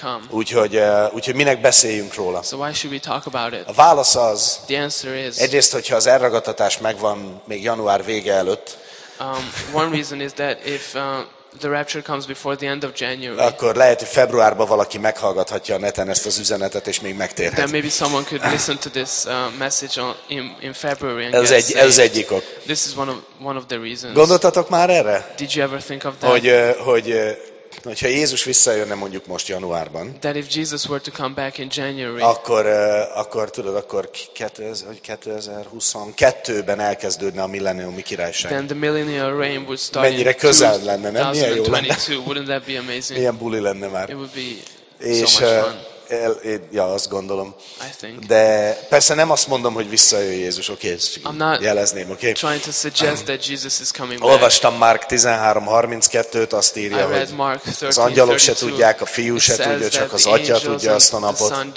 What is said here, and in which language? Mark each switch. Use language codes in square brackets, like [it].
[hu] Úgyhogy minek beszéljünk róla? [en] So why should we talk about it? [hu] A válasz az, [en] the answer is, [hu] egyrészt, hogyha az elragadtatás megvan még január vége előtt, [en] one reason is that if the rapture comes before the end of January. [hu] Akkor lehet, hogy februárban valaki meghallgathatja a neten ezt az üzenetet, és még megtérhet. [en] Then maybe someone could listen to this message in February and [hu] ez [en] get [hu] egy, [en] saved. [hu] Ez egyik ok. [en] This is one of the reasons. [hu] Gondoltatok már erre? [en] Did you ever think of that? [hu] Hogyha Jézus visszajönne mondjuk most januárban, [en] that if Jesus were to come back in January, [hu] akkor 2022-ben elkezdődne a milleniumi királyság. [en] Then the millennial reign would start. [hu] Mennyire közel lenne, nem? Milyen jó lenne. [en] Wouldn't that be amazing? [hu] Milyen buli lenne már. [en] It would be [hu] és, [en] so much fun. [hu] Ja, azt gondolom. [en] I think. [hu] De persze nem azt mondom, hogy visszajön Jézus, oké, okay, jelezném, oké. [en] Okay? Trying to suggest that Jesus is coming back. [hu] Olvastam Márk 13:32-t, azt írja, hogy az angyalok se tudják, a fiú se tudja, csak az atya tudja azt a napot.